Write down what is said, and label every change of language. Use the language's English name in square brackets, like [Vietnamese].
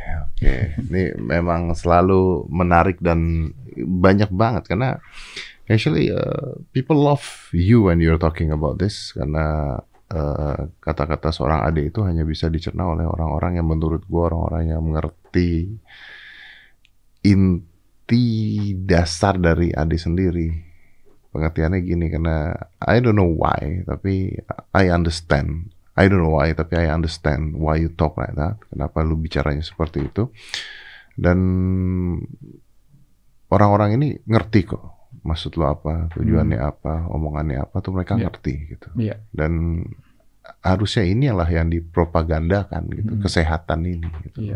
[Indonesian] Oke, ini memang selalu menarik dan banyak banget karena [English] actually people love you when you're talking about this, [Indonesian] karena kata-kata seorang Ade itu hanya bisa dicerna oleh orang-orang yang menurut gua orang-orang yang mengerti inti dasar dari Ade sendiri. Pengertiannya gini, karena [English] I don't know why, [Indonesian] tapi [English] I understand why you talk like that. [Indonesian] Kenapa lu bicaranya seperti itu. Dan orang-orang ini ngerti kok maksud lu apa, tujuannya apa, omongannya apa, tuh mereka ngerti gitu. [English] Yeah. [Indonesian] Dan harusnya inilah yang dipropagandakan gitu, kesehatan ini gitu.